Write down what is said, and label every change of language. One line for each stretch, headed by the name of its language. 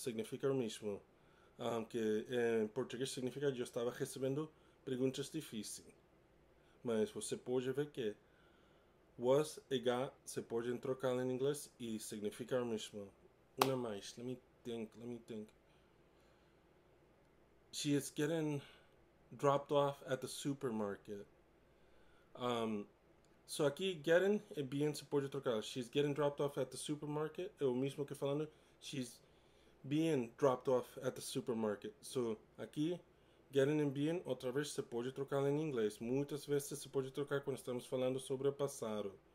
Portuguese: Significa o mesmo. Que em português significa que eu estava recebendo perguntas difíceis. Mas você pode ver que was e got se pode trocar em inglês e significa o mesmo. Não mais.
English: Let me think. She is getting dropped off at the supermarket.
Portuguese: So aqui getting é bem se pode trocar.
English: She's getting dropped off at the supermarket.
Portuguese: É o mesmo que falando.
English: She's being dropped off at the supermarket.
Portuguese: So aqui getting and being outra vez se pode trocar em inglês. Muitas vezes se pode trocar quando estamos falando sobre o passado.